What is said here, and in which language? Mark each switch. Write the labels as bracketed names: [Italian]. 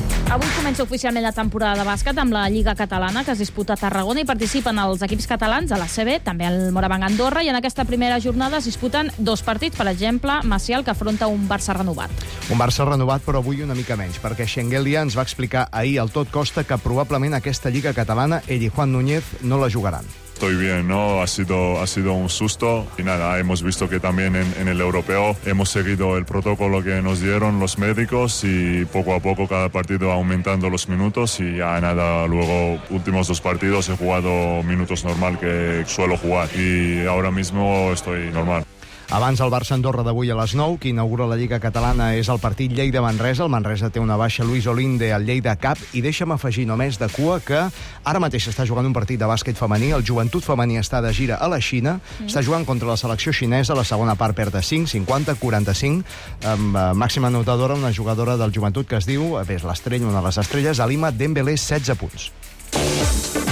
[Catalan] Avui comença oficialment la temporada de bàsquet amb la Lliga Catalana, que es disputa a Tarragona, i participen els equips catalans a la CB, també el Morabanc Andorra, i en aquesta primera jornada es disputen dos partits, per exemple, Macià, que afronta un Barça renovat. Un Barça renovat, però avui una mica menys, perquè Xenguelia ens va explicar ahir al Tot Costa que probablement aquesta Lliga Catalana ell i Juan Núñez no la jugaran. [Spanish] Estoy bien, ¿no? Ha sido un susto y nada, hemos visto que también en el europeo hemos seguido el protocolo que nos dieron los médicos y poco a poco cada partido aumentando los minutos y ya nada, luego últimos dos partidos he jugado minutos normal que suelo jugar y ahora mismo estoy normal. [Catalan] Abans, el Barça-Andorra d'avui a les 9, qui inaugura la Lliga Catalana és el partit Lleida-Manresa. El Manresa té una baixa, Luis Olinde, al Lleida cap, i deixa'm afegir només de cua que ara mateix està jugant un partit de bàsquet femení, el Joventut Femení està de gira a la Xina, està jugant contra la selecció xinesa, la segona part perd de 5, 50-45, amb màxima anotadora, una jugadora del Joventut que es diu, és l'estrella, una de les estrelles, Halima Dembélé, 16 punts.